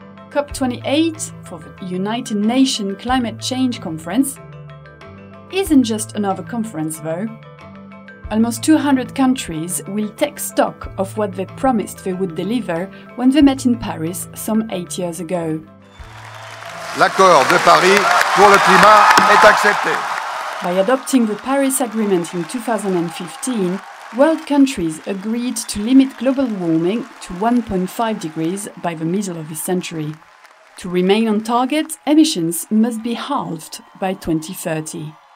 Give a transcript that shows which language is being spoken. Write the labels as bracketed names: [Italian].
[English] COP28 for the United Nations Climate Change Conference isn't just another conference, though. Almost 200 countries will take stock of what they promised they would deliver when they met in Paris some 8 years ago. [French] L'accord de Paris pour le climat est accepté. [English] By adopting the Paris Agreement in 2015, world countries agreed to limit global warming to 1.5 degrees by the middle of this century. To remain on target, emissions must be halved by 2030.